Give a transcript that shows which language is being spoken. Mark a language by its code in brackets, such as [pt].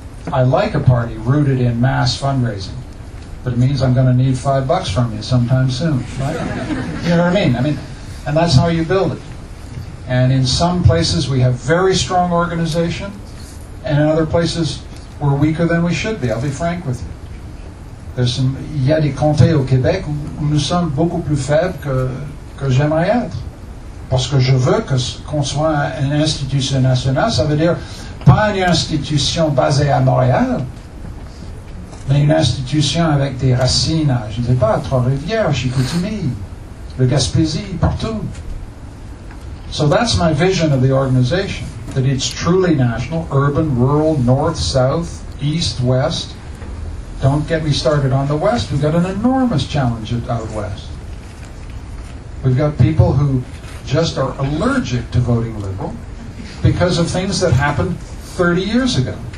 [en] I like a party rooted in mass fundraising, but it means I'm going to need $5 from you sometime soon, right? You know what I mean? I mean, and that's how you build it. And in some places we have very strong organization, and in other places we're weaker than we should be. I'll be frank with you. There's some, [fr] il y a des comtés au Québec où nous sommes beaucoup plus faibles que j'aimerais être. Parce que je veux que, qu'on soit une institution nationale, ça veut dire pas une institution basée à Montréal, mais une institution avec des racines à, je ne sais pas, à Trois-Rivières, Chicoutimi, le Gaspésie, partout. [en] So that's my vision of the organization, that it's truly national, urban, rural, north, south, east, west. Don't get me started on the west. We've got an enormous challenge out west. We've got people who just are allergic to voting liberal because of things that happened 30 years ago.